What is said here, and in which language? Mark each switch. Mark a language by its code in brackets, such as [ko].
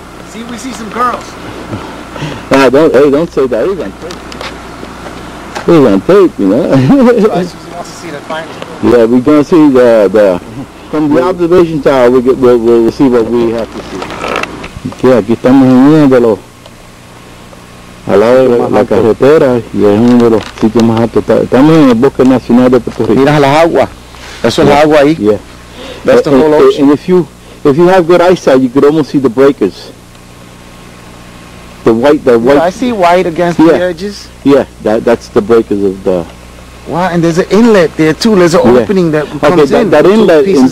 [en] See if we see some girls. don't say that. He's on tape. He's on tape, you know. Yeah, we're going to see the from the observation tower, we'll see what we have to see. [es] Okay, aquí estamos viéndolo. Al lado de la carretera, y es uno de los sitios más altos. Estamos en el Bosque Nacional de Puerto Rico. Miras las aguas. Eso es la agua ahí. [en] Yeah. That's the whole ocean. And if you have good eyesight, you could almost see the breakers. The white. Yeah, I see white against the edges. Yeah, that's the breakers of the... Wow, and there's an inlet there too. There's an opening that comes in. That inlet is